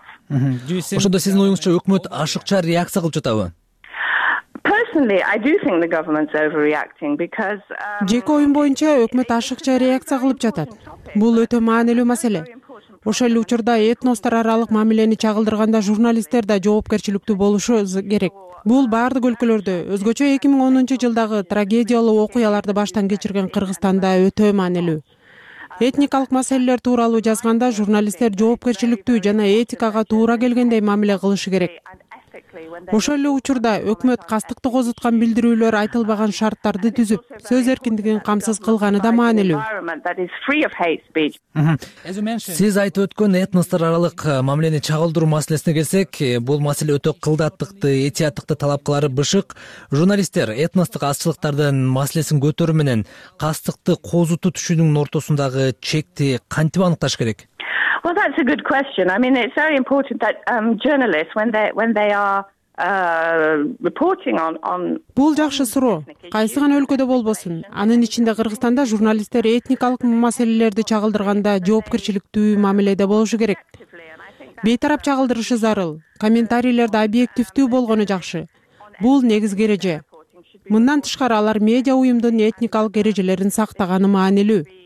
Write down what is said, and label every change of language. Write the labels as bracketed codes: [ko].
[ky] Ошондо сиздин оюңузча өкмөт ашыкча реакция кылып жатабы? [en] Personally, I do think the government's overreacting because [ky] жеке оюм боюнча өкмөт ашыкча реакция кылып жатат. Бул өтө маанилүү маселе. Ошол эле учурда этностор аралык мамилени чагылдырганда журналисттер да жоопкерчиликтүү болушу керек. Бул баардык өлкөлөрдө, өзгөчө 2010-жылдагы трагедиялуу окуяларды баштан кечирген Кыргызстанда өтө маанилүү. Этникалык маселелер тууралуу жазганда журналисттер жоопкерчиликтүү жана этикага туура келгендей мамиле кылышы керек. Ошол эле учурда өкмөт кастыкты козуткан билдирүүлөр айтылбаган шарттарды түзүп, сөз эркиндигин камсыз кылганы да маанилүү. Сиз айтып өткөн этностор аралык мамилени чагылдыруу маселесине келсек, бул маселе өтө кылдаттыкты, этияттыкты талап кылары бышык. Журналисттер этностук азчылыктардын маселесин көтөрүү менен кастыкты козутуу түшүнүгүнүн ортосундагы чекти кантип аныкташ керек? [en] Well, that's a good question. I mean, it's very important that journalists, when they are reporting on [ky] Бул жакшы суроо. Кайсы гана өлкөдө болбосун, анын ичинде Кыргызстанда журналисттер этникалык маселелерди чагылдырганда жоопкерчиликтүү мамиледе болушу керек. Бейтарап чагылдырышы зарыл. Комментарийлерде объективдүү болгону жакшы. Бул негизги эреже. Мындан тышкары алар медиа уюмдун этникалык эрежелерин сактаганы маанилүү.